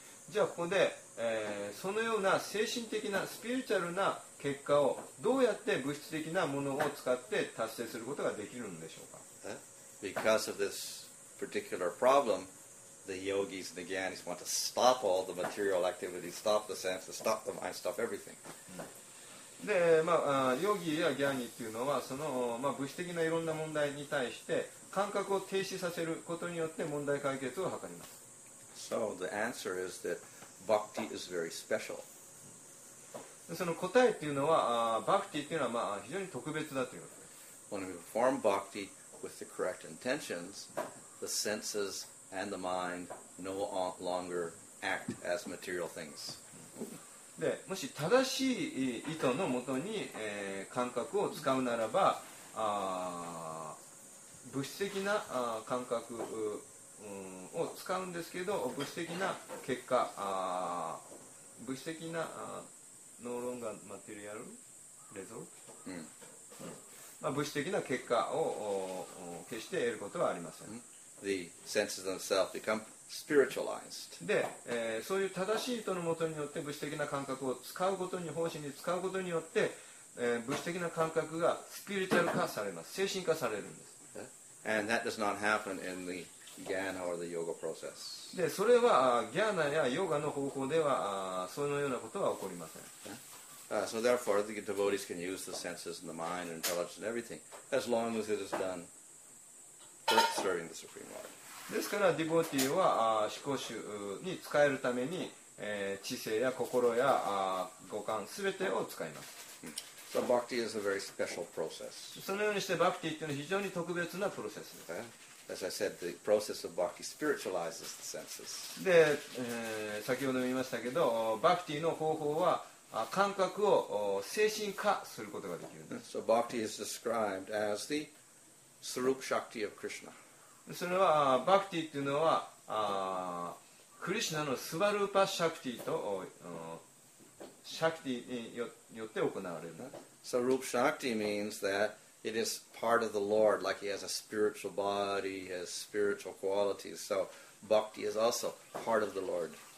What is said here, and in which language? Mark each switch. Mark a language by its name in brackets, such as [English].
[Japanese] じゃあここで、そのような精神的なスピリチュアルな結果をどうやって物質的なものを使って達成することができるんでしょうか。 [English] Because of this particular problem. The yogis and the jnanis want to stop all the material activities, stop the senses, stop the mind, stop everything. [Japanese] で、まあ、ヨギやギャニっていうのはその、まあ、物質的ないろんな問題に対して感覚を停止させることによって問題解決を図ります。 [English] So the answer is that bhakti is very special. [Japanese] その答えっていうのは、bhakti っていうのは、まあ、非常に特別だということです。 [English] When we perform bhakti with the correct intentions, the senses... and the mind no longer act as material things. [Japanese] で、もし正しい意図のもとに、感覚を使うならば、物質的な感覚を使うんですけど、物質的な結果、物質的なノーロンガーマテリアルレゾルト、まあ、物質的な結果を決して得ることはありません。 [English] The senses themselves become spiritualized. [Japanese] で、そういう正しい意図のもとによって物質的な感覚を使うことに方針に使うことによって、物質的な感覚がスピリチュアル化されます、精神化されるんです。 [English] And that does not happen in the jnana or the yoga process. [Japanese] で、それはギャーナやヨガの方法ではそのようなことは起こりません。 [English] So therefore, the devotees can use the senses and the mind and intelligence and everything as long as it is done. Serving the Supreme Lord. [Japanese] ですからディボティは思考主に使えるために、知性や心や五感すべてを使います。 [English] So, bhakti is a very special process. [Japanese] そのようにしてバクティというのは非常に特別なプロセスです。 [English] As I said, the process of bhakti spiritualizes the senses. [Japanese] で、先ほども言いましたけど、バクティの方法は感覚を精神化することができるんです。 [English] So, bhakti is described as theSurup Shakti of Krishna. [Japanese] それはバクティというのはクリシナのスワルーパシャクティとシャクティによって行われる。 [English] Surup Shakti means that it is part of the Lord, like he has a spiritual body, he has spiritual qualities. So bhakti is also part of the Lord.